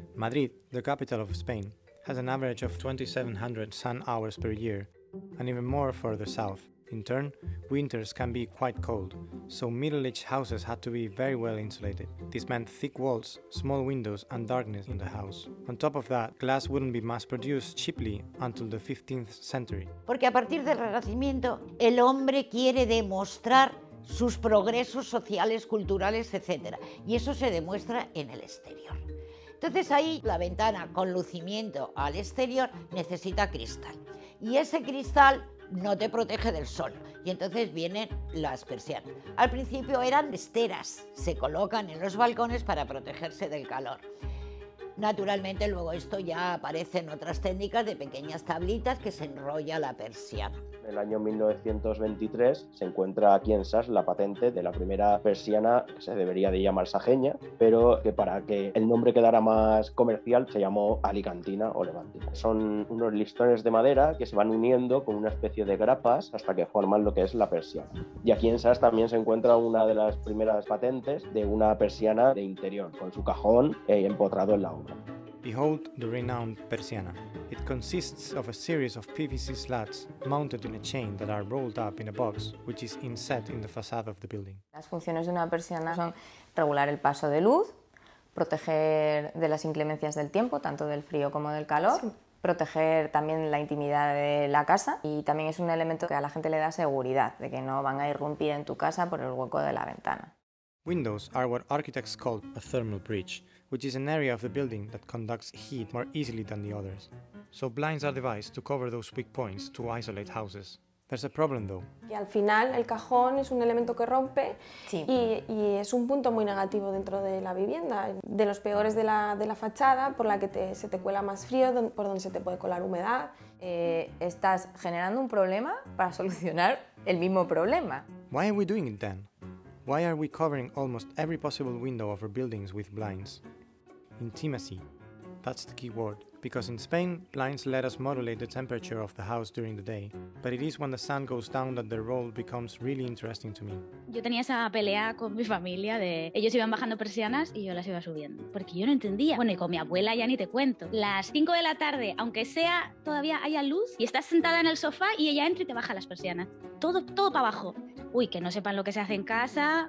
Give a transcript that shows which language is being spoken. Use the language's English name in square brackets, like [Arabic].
[English] Madrid, the capital of Spain, has an average of 2,700 sun hours per year, and even more further south. In turn, winters can be quite cold, so middle-aged houses had to be very well insulated. This meant thick walls, small windows, and darkness in the house. On top of that, glass wouldn't be mass-produced cheaply until the 15th century. [Spanish] Porque a partir del Renacimiento, el hombre quiere demostrar sus progresos sociales, culturales, etc. Y eso se demuestra en el exterior. Entonces ahí la ventana con lucimiento al exterior necesita cristal. Y ese cristal no te protege del sol, y entonces vienen las persianas. Al principio eran esteras, se colocan en los balcones para protegerse del calor. Naturalmente luego esto ya aparece en otras técnicas de pequeñas tablitas que se enrolla la persiana. En el año 1923 se encuentra aquí en Sas la patente de la primera persiana que se debería de llamar sajeña, pero que para que el nombre quedara más comercial se llamó alicantina o levantina. Son unos listones de madera que se van uniendo con una especie de grapas hasta que forman lo que es la persiana. Y aquí en Sas también se encuentra una de las primeras patentes de una persiana de interior, con su cajón empotrado en la obra. [English] Behold the renowned persiana. It consists of a series of PVC slats mounted in a chain that are rolled up in a box which is inset in the facade of the building. [Spanish] Las funciones de una persiana son regular el paso de luz, proteger de las inclemencias del tiempo, tanto del frío como del calor, proteger también la intimidad de la casa, y también es un elemento que a la gente le da seguridad de que no van a irrumpir en tu casa por el hueco de la ventana. [English] Windows are what architects call a thermal bridge, which is an area of the building that conducts heat more easily than the others. So blinds are devised to cover those weak points to isolate houses. There's a problem though. [Spanish] Y al final el cajón es un elemento que rompe, sí. y es un punto muy negativo dentro de la vivienda, de los peores de la fachada, por la que se te cuela más frío, por donde se te puede colar humedad. Estás generando un problema para solucionar el mismo problema. [English] Why are we doing it then? Why are we covering almost every possible window of our buildings with blinds? Intimacy. That's the key word. Because in Spain, blinds let us modulate the temperature of the house during the day. But it is when the sun goes down that their role becomes really interesting to me. [Spanish] Yo tenía esa pelea con mi familia de ellos iban bajando persianas y yo las iba subiendo. Porque yo no entendía. Bueno, y con mi abuela ya ni te cuento. Las 5 de la tarde, aunque sea, todavía haya luz y estás sentada en el sofá y ella entra y te baja las persianas. Todo, todo para abajo. Uy, que no sepan lo que se hace en casa.